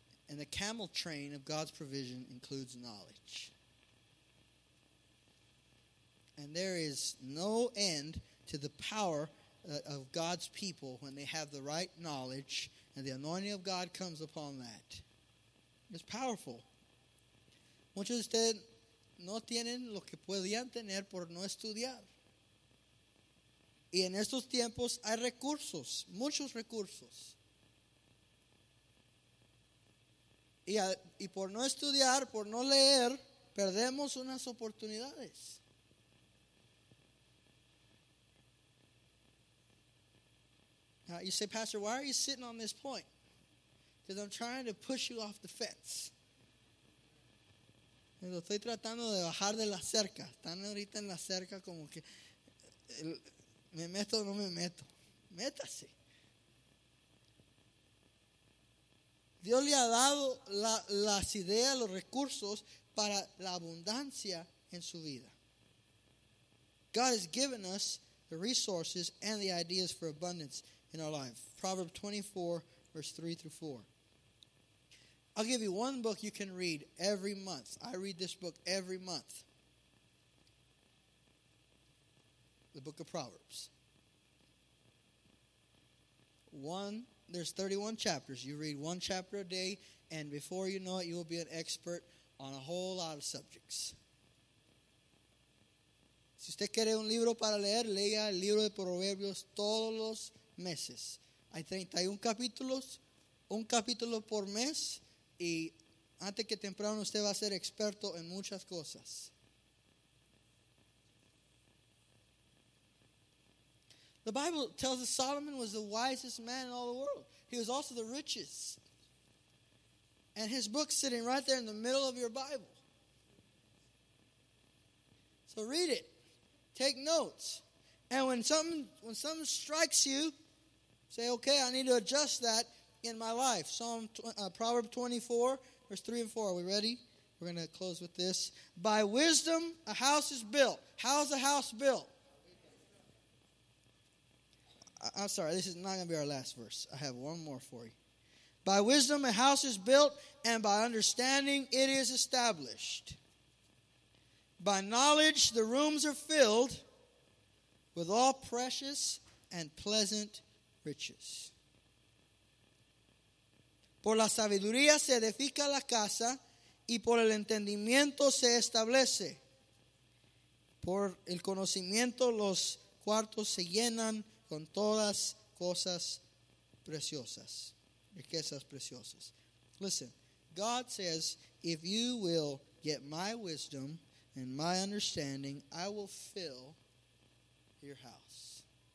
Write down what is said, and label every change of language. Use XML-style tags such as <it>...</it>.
<en>And the camel train of God's provision includes knowledge. And there is no end to the power of God's people when they have the right knowledge and the anointing of God comes upon that. It's powerful.</en> <es>Muchos de ustedes no tienen lo que podían tener por no estudiar. Y en estos tiempos hay recursos, muchos recursos. Y por no estudiar, por no leer, perdemos unas oportunidades.</es> <en>You say, Pastor, why are you sitting on this point? Because I'm trying to push you off the fence.</en> <es>Estoy tratando de bajar de la cerca. Están ahorita en la cerca como que me meto o no me meto. Métase. Dios le ha dado las ideas, los recursos para la abundancia en su vida.</es> <en>God has given us the resources and the ideas for abundance in our life. Proverbs 24, verse 3 through 4. I'll give you one book you can read every month. I read this book every month. The book of Proverbs. There's 31 chapters. You read one chapter a day, and before you know it, you will be an expert on a whole lot of subjects.</en> <es>Si usted quiere un libro para leer, lea el libro de Proverbios todos los meses. Hay 31 capítulos, un capítulo por mes, y antes que temprano usted va a ser experto en muchas cosas.</es> <en>The Bible tells us Solomon was the wisest man in all the world. He was also the richest. And his book's sitting right there in the middle of your Bible. So read it. Take notes. And when something strikes you, say, okay, I need to adjust that in my life. Proverbs 24, verse 3 and 4. Are we ready? We're going to close with this. By wisdom, a house is built. How is a house built? I'm sorry, this is not going to be our last verse. I have one more for you. By wisdom a house is built, and by understanding it is established. By knowledge the rooms are filled with all precious and pleasant riches.</en> <es>Por la sabiduría se edifica la casa, y por el entendimiento se establece. Por el conocimiento los cuartos se llenan con todas cosas preciosas, riquezas preciosas.</es> <en>Listen, God says, if you will get my wisdom and my understanding, I will fill your house.</en>